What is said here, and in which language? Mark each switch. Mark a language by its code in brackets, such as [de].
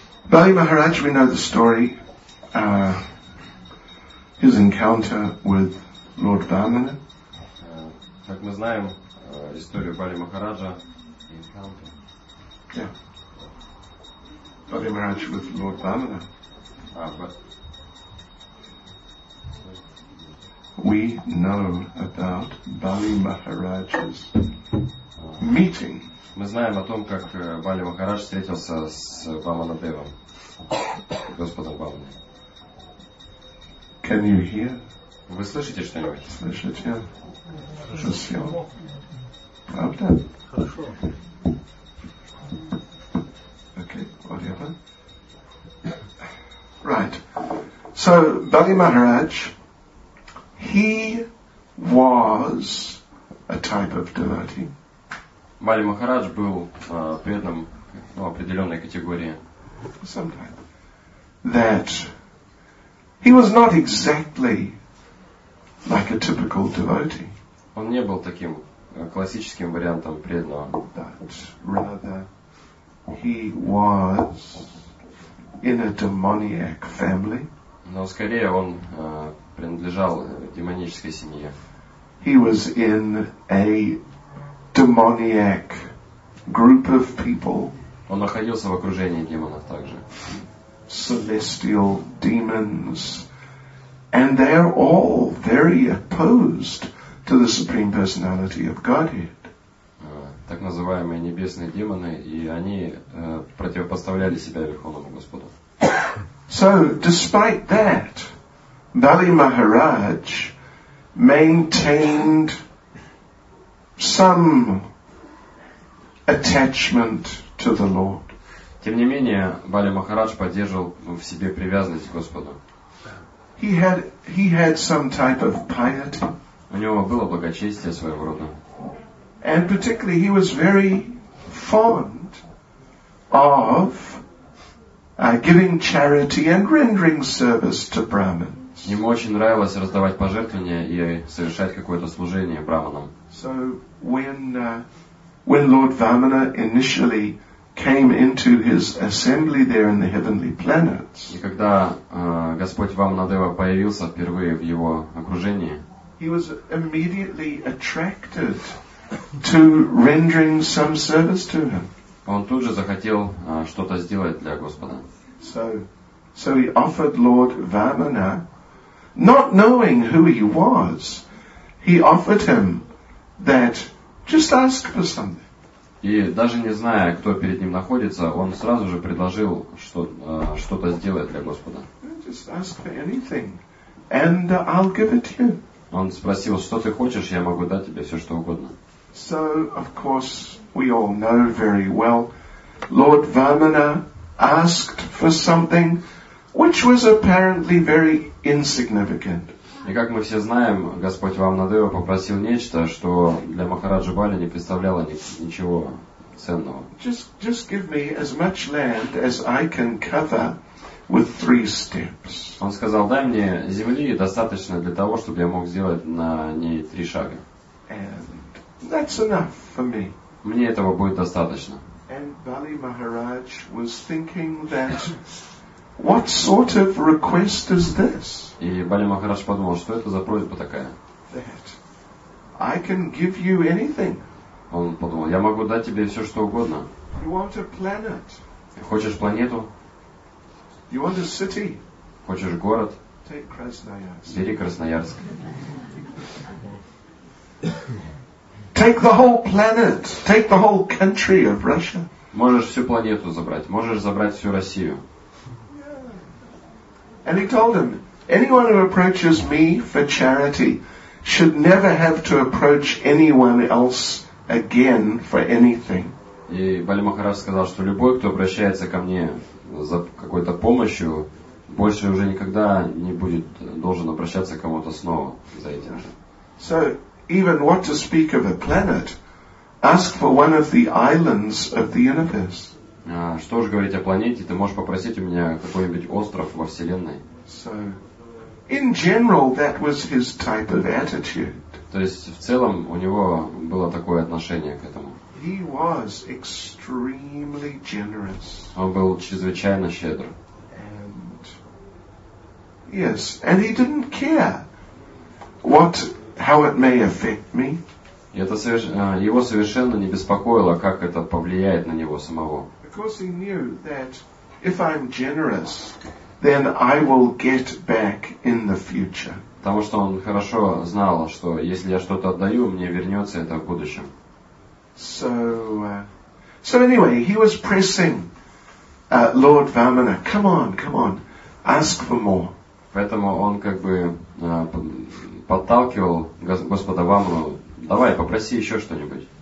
[en] Bali Maharaj, we know the story, his encounter with Lord Vamana. [ru] Как мы знаем историю Бали Махараджа. [en] Бали Махарадж with Lord Vamana. We know about Bali Maharaj's meeting. [ru] Мы знаем о том, как Бали Махарадж встретился с Ваманадевом. Господом Бабаном. [en] Can you hear? [ru] Вы слышите что-нибудь? Слышите? Хорошо. Слышал. Правда? Хорошо. [en] Okay, what happened? Right. So, Bali Maharaj, he was a type of devotee. [ru] Бали Махарадж был преданным определенной категории. [en] Sometimes. That he was not exactly like a typical devotee. [ru] Он не был таким классическим вариантом преданного. [en] But rather he was in a demoniac family. [ru] Но скорее он принадлежал демонической семье. [en] He was in a demoniac group of people. [ru] Он находился в окружении демонов также. [en] Celestial demons, and they're all very opposed to the Supreme Personality of Godhead. [ru] Так называемые небесные демоны, и они противопоставляли себя Верховному Господу. [en] So, despite that, Bali Maharaj maintained some attachment to the Lord. [ru] Тем не менее, Бали Махарадж поддерживал в себе привязанность к Господу. [en] He had some type of piety. [ru] У него было благочестие своего рода. [en] And particularly he was very fond of giving charity and rendering service to Brahmins. [ru] Ему очень нравилось раздавать пожертвования и совершать какое-то служение Брахманам. [en] So when Lord Vamana initially came into his assembly there in the heavenly planets. [ru] И когда Господь Вамнадева появился впервые в его окружении, [en] he was immediately attracted to rendering some service to him. [ru] Он тут же захотел что-то сделать для Господа. [en] So he offered Lord Vamana, not knowing who he was, he offered him that just ask for something. [ru] И даже не зная, кто перед ним находится, он сразу же предложил что-то сделать для Господа. [en] Just ask for anything, and I'll give it to you. [ru] Он спросил, что ты хочешь, я могу дать тебе все, что угодно. [en] So, of course, we all know very well, Lord Vamana asked for something which was apparently very insignificant. [ru] И как мы все знаем, Господь Вамнадева попросил нечто, что для Махараджи Бали не представляло ничего ценного. [en] Just give me as much land as I can cover with three steps. [ru] Он сказал, дай мне земли достаточно для того, чтобы я мог сделать на ней три шага. [en] And that's enough for me. [ru] Мне этого будет достаточно. [en] And Bali Maharaj was thinking that what sort of request is this? [ru] И Бали Махарадж подумал, что это за просьба такая? [en] That I can give you anything. [ru] Он подумал, я могу дать тебе все, что угодно. [en] You want a planet? [ru] Хочешь планету? [en] You want a city? [ru] Хочешь город? [en] Take Krasnoyarsk. [ru] Бери Красноярск. [en] Take the whole planet. Take the whole country of Russia. [ru] Можешь всю планету забрать. Можешь забрать всю Россию. [en] And he told him, anyone who approaches me for charity should never have to approach anyone else again for anything. [ru] И Бали Махарадж сказал, что любой, кто обращается ко мне за какой-то помощью, больше уже никогда не будет должен обращаться к кому-то снова за этим же. [en] So, even what to speak of a planet, ask for one of the islands of the universe. [ru] Что уж говорить о планете, ты можешь попросить у меня какой-нибудь остров во Вселенной. [en] So, in general, that was his type of attitude. [ru] То есть, в целом, у него было такое отношение к этому. [en] He was extremely generous. [ru] Он был чрезвычайно щедр. [en] And, yes, and he didn't care what, how it may affect me. [ru] Это его совершенно не беспокоило, как это повлияет на него самого. [en] Of course he knew that if I'm generous, then I will get back in the future. [ru] Потому что он хорошо знал, что если я что-то отдаю, мне вернется это в будущем. [en] So anyway, he was pressing Lord Vamana, come on, ask for more. [ru] Поэтому он как бы подталкивал Господа Ваману, давай, попроси еще что-нибудь.